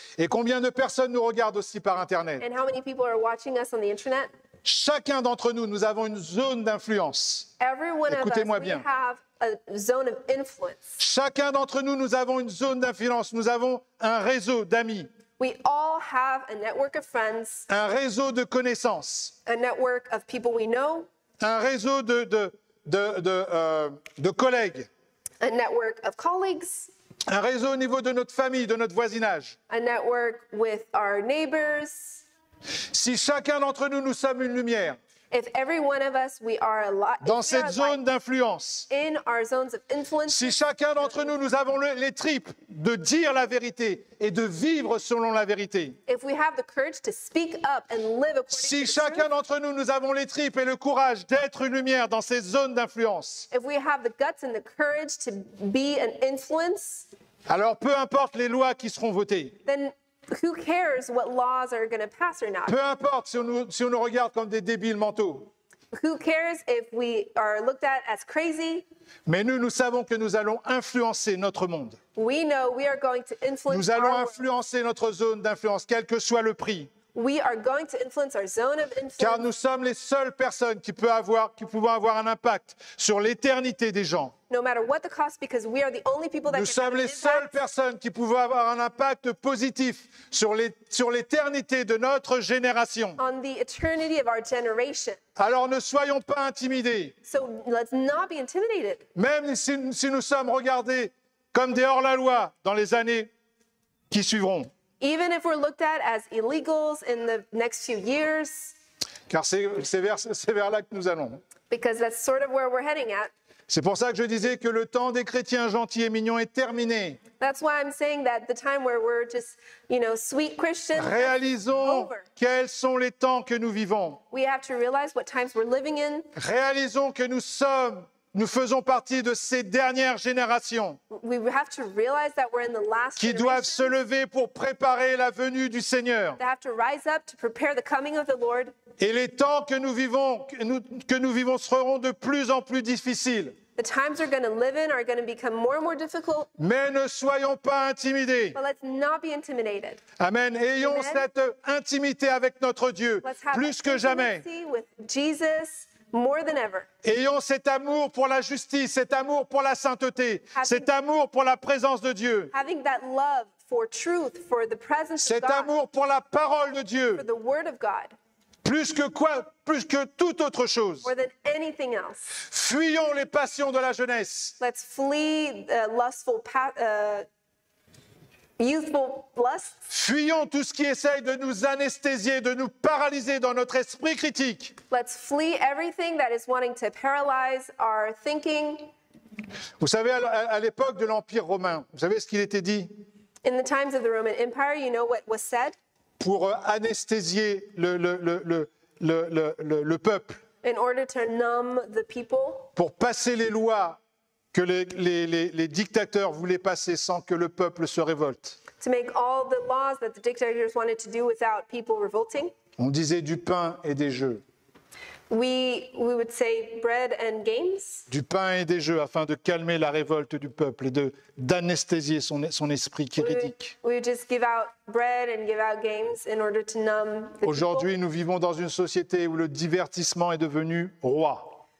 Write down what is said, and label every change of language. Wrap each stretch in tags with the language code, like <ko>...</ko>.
<fr>Et combien de personnes nous regardent aussi par internet.</fr> <en>And how many people are watching us on the internet.</en> <fr>Chacun d'entre nous, nous avons une zone d'influence.</fr> <en>Everyone</en> <fr>Écoutez-moi</fr> <en>of us,</en> <fr>bien.</fr> <en>We have a zone of influence.</en> <fr>Chacun d'entre nous, nous avons une zone d'influence. Nous avons un réseau d'amis.</fr> <en>We all have a network of friends.</en> <fr>Un réseau de connaissances.</fr> <en>A network of people we know.</en> <fr>Un réseau de collègues.</fr> <en>A network of colleagues.</en> <fr>Un réseau au niveau de notre famille, de notre voisinage.</fr> <en>A network with our neighbors.</en> <fr>Si chacun d'entre nous, nous sommes une lumière.</fr> <en>If every one of us, we are a lot.</en> <fr>Dans cette zone d'influence.</fr> <en>In our zones of influence.</en> <fr>Si chacun d'entre nous, nous avons les tripes de dire la vérité et de vivre selon la vérité.</fr> <en>If we have the courage to speak up and live according to the truth.</en> <fr>Si chacun d'entre nous, nous avons les tripes et le courage d'être une lumière dans cette zone d'influence.</fr> <en>If we have the guts and the courage to be an influence.</en> <fr>Alors peu importe les lois qui seront votées.</fr> <en>Then who cares what laws are going to pass or not?</en> <fr>Peu importe si on nous regarde comme des débiles mentaux.</fr> <en>Who cares if we are looked at as crazy?</en> <fr>Mais nous savons que nous allons influencer notre monde.</fr> <en>We know we are going to influence our world.</en> <fr>Nous allons influencer notre zone d'influence, quel que soit le prix.</fr> <en>We are going to influence our zone of influence.</en> <fr>Car nous sommes les seules personnes qui peuvent avoir un impact sur l'éternité des gens.</fr> <en>No matter what the cost, because we are the only people that</en> <fr>nous sommes les seules personnes qui peuvent avoir un impact positif sur l'éternité de notre génération.</fr> <en>On the eternity of our generation.</en> <fr>Alors ne soyons pas intimidés.</fr> <en>So let's not be intimidated.</en> <fr>Même si nous sommes regardés comme des hors-la-loi dans les années qui suivront.</fr> <en>Even if we're looked at as illegals in the next few years.</en> <fr>Car c'est vers là que nous allons.</fr> <en>Because that's sort of where we're heading at.</en> <fr>C'est pour ça que je disais que le temps des chrétiens gentils et mignons est terminé.</fr> <en>That's why I'm saying that the time where we're just, you know, sweet Christians.</en> <fr>Réalisons quels sont les temps que nous vivons.</fr> <en>We have to realize what times we're living in.</en> <fr>Réalisons que nous faisons partie de ces dernières générations.</fr> <en>We have to realize that we're in the last</en> <fr>qui doivent se lever pour préparer la venue du Seigneur.</fr> <en>They have to rise up to prepare the coming of the Lord.</en> <fr>Et les temps que nous vivons seront de plus en plus difficiles.</fr> <en>The times we're going to live in are going to become more and more difficult.</en> <fr>Mais ne soyons pas intimidés.</fr> <en>But let's not be intimidated.</en> <fr>Amen. Ayons Amen. Cette intimité avec notre Dieu plus que jamais.</fr> <en>Let's have intimacy with Jesus more than ever.</en> <fr>Ayons cet amour pour la justice, cet amour pour la sainteté, cet amour pour la présence de Dieu.</fr> <en>Having that love for truth, for the presence of God.</en> <fr>Cet amour pour la parole de Dieu.</fr> <en>For the word of God.</en> <fr>Plus que quoi? Plus que toute autre chose.</fr> <en>More than anything else.</en> <fr>Fuyons les passions de la jeunesse.</fr> <en>Let's flee the lustful youthful lusts.</en> <fr>Fuyons tout ce qui essaye de nous anesthésier, de nous paralyser dans notre esprit critique.</fr> <en>Let's flee everything that is wanting to paralyze our thinking.</en> <fr>Vous savez, à l'époque de l'Empire romain, vous savez ce qu'il était dit?</fr> <en>In the times of the Roman Empire, you know what was said?</en> <fr>Pour anesthésier le peuple.</fr> <en>In order to numb the people.</en> <fr>Pour passer les lois que les dictateurs voulaient passer sans que le peuple se révolte.</fr> <en>To make all the laws that the dictators wanted to do without people revolting.</en> <fr>On disait du pain et des jeux.</fr> <en>We would say bread and games.</en> <fr>Du pain et des jeux afin de calmer la révolte du peuple et d'anesthésier son esprit critique.</fr> <en>We would just give out bread and give out games in order to numb the people.</en> <fr>Aujourd'hui, nous vivons dans une société où le divertissement est devenu roi.</fr>